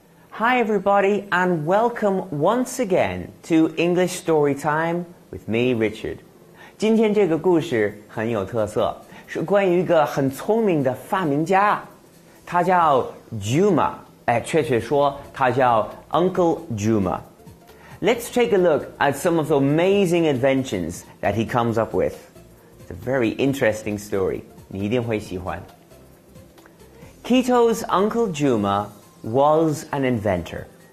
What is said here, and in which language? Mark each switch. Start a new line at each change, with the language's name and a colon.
English: Hi, everybody, and welcome once again to English Storytime with me, Richard.
Chinese: 今天这个故事很有特色，是关于一个很聪明的发明家，他叫 Juma. 哎，确切说，他叫 Uncle Juma.
English: Let's take a look at some of the amazing inventions that he comes up with. It's a very interesting story.
Chinese: 你一定会喜欢。
English: Kito's Uncle Juma was an inventor.